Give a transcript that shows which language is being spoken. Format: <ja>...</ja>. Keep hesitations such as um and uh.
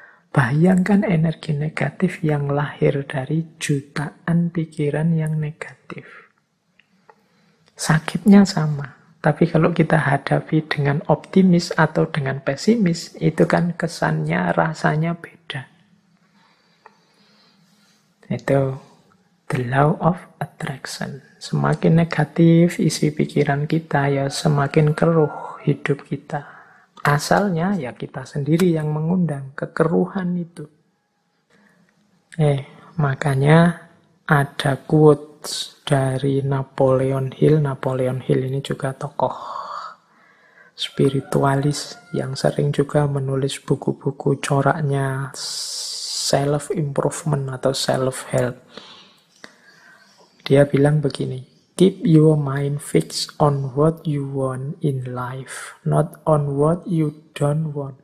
<id>Bayangkan energi negatif yang lahir dari jutaan pikiran yang negatif sakitnya sama. Tapi kalau kita hadapi dengan optimis atau dengan pesimis, itu kan kesannya, rasanya beda. Itu</id> <en>the law of attraction.</en> <id>Semakin negatif isi pikiran kita, ya semakin keruh hidup kita. Asalnya ya kita sendiri yang mengundang kekeruhan itu. Eh, makanya ada quotes dari Napoleon Hill. Napoleon Hill ini juga tokoh spiritualis yang sering juga menulis buku-buku coraknya self improvement atau self help. Dia bilang begini,</id> <en>keep your mind fixed on what you want in life, not on what you don't want.</en>